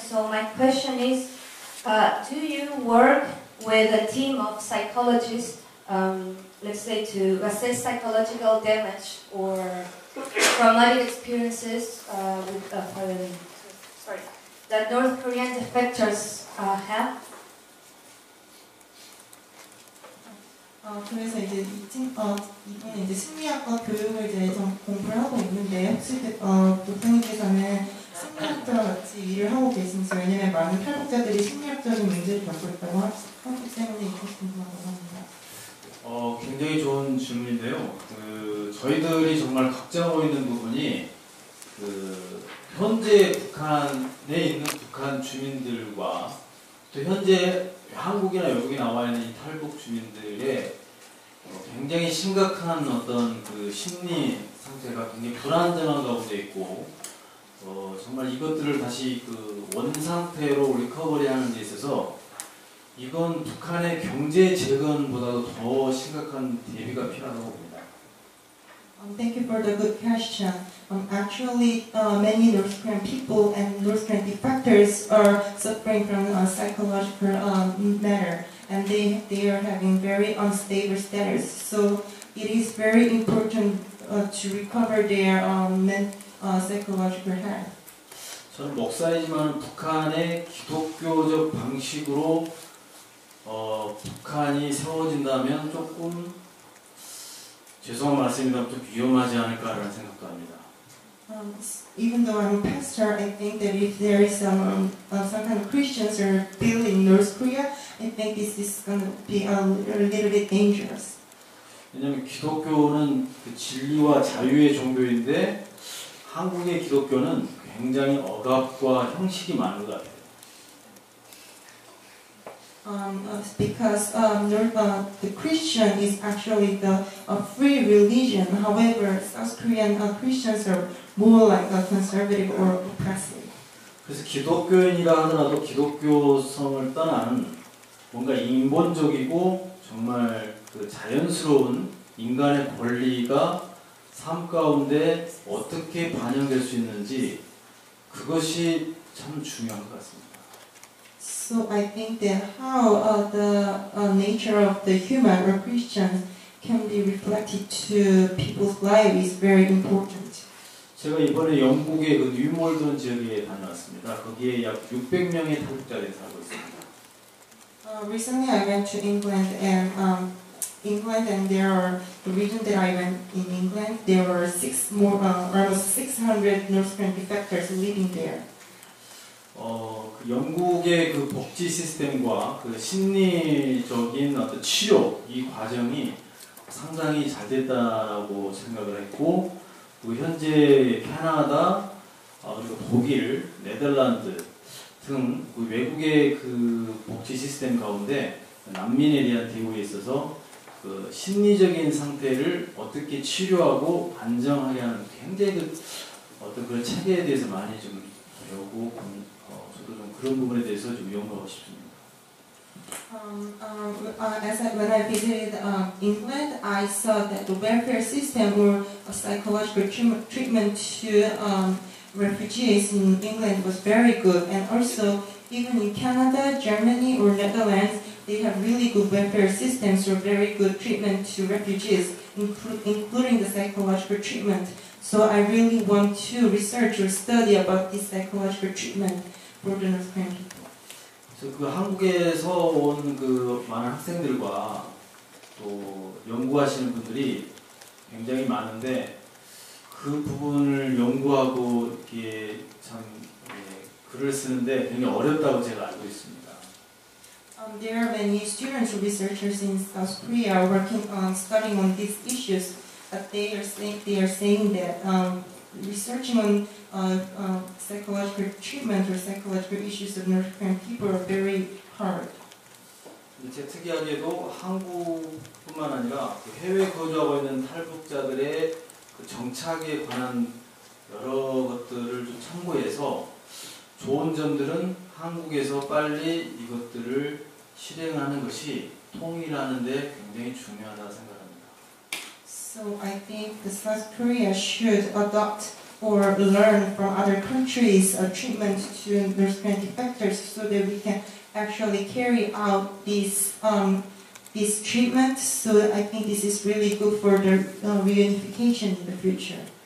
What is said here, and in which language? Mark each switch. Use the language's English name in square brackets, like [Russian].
[English] So my question is, do you work with a team of psychologists, let's say to assess psychological damage or traumatic experiences with that North Korean defectors have? [Korean] 그래서 이제 이번에 이제 심리학과 교육을 이제 좀 공부를 하고 있는데 혹시 도토님께서는 심리학과 같이 일을 하고 계신지 왜냐면 많은 탈북자들이 심리학적인 문제를 겪고 있다고 하기 때문에 궁금하다고 합니다. 굉장히 좋은 질문인데요. 저희들이 정말 걱정하고 있는 부분이 현재 북한에 있는 북한 주민들과 또 현재 한국이나 외국에 나와 있는 이 탈북 주민들의 굉장히 심각한 어떤 그 심리 상태가 굉장히 불안정한 가운데 있고 정말 이것들을 다시 그 원상태로 리커버리 하는 데 있어서 이건 북한의 경제 재건보다도 더 심각한 대비가 필요하다고 봅니다. [English] Thank you for the good question. Actually, many North Korean people and North Korean defectors are suffering from a psychological matter, and they are having very unstable status. So it is very important to recover their psychological health. [Korean] 저는 목사이지만 북한의 기독교적 방식으로 북한이 세워진다면 조금 죄송한 말씀입니다. 좀 위험하지 않을까라는 생각도 합니다. [English] Even though I'm a pastor, I think that if there is some kind of Christians are built in North Korea, I think this is going to be a little bit dangerous. [Korean] 왜냐면 기독교는 그 진리와 자유의 종교인데 한국의 기독교는 굉장히 억압과 형식이 많은 것 같아요. [English] The Christian is actually the free religion. However, South Korean Christians are more like a conservative or oppressive. [Korean] 그래서 기독교인이라 하더라도 기독교성을 떠난 뭔가 인본적이고 정말 그 자연스러운 인간의 권리가 삶 가운데 어떻게 반영될 수 있는지 그것이 참 중요한 것 같습니다. [English] So I think that how the nature of the human or Christian can be reflected to people's life is very important. [Korean] 제가 이번에 영국의 그 뉴몰던 지역에 다녀왔습니다. 거기에 약 600명의 탈북자들이 살고 있습니다. [English] Recently I went to England and there are the region that I went in England. There were almost 600 North Korean defectors living there. [Korean] 그 영국의 그 복지 시스템과 그 심리적인 어떤 치료 이 과정이 상당히 잘 됐다라고 생각을 했고 그 현재 캐나다 그리고 독일, 네덜란드 등 그 외국의 그 복지 시스템 가운데 난민에 대한 대우에 있어서 그 심리적인 상태를 어떻게 치료하고 안정하게 하는 굉장히 그 어떤 그런 체계에 대해서 많이 좀 배우고 저도 좀 그런 부분에 대해서 좀 연구하고 싶습니다. [English] As I when I visited England, I saw that the welfare system or psychological treatment to refugees in England was very good, and also even in Canada, Germany, or Netherlands. They have really good welfare systems or very good treatment to refugees, including the psychological treatment. So I really want to research or study about this psychological treatment for the North Korean people. [Korean] 저 그 한국에서 온 그 많은 학생들과 또 연구하시는 분들이 굉장히 많은데 그 부분을 연구하고 이렇게 참 글을 쓰는데 굉장히 어렵다고 제가 알고 있습니다. [English] There are many students or researchers in South Korea working on studying on these issues, but they are saying that researching on psychological treatment or psychological issues of North Korean people are very hard. [Korean] 제 특이하게도 한국뿐만 아니라 해외 거주하고 있는 탈북자들의 그 정착에 관한 여러 것들을 좀 참고해서 좋은 점들은 한국에서 빨리 이것들을 실행하는 것이 통일하는 데 굉장히 중요하다고 생각합니다. [English] So I think the South Korea should adopt or learn from other countries a treatment to North Korean defectors so that we can actually carry out this treatment. So I think this is really good for the reunification in the future.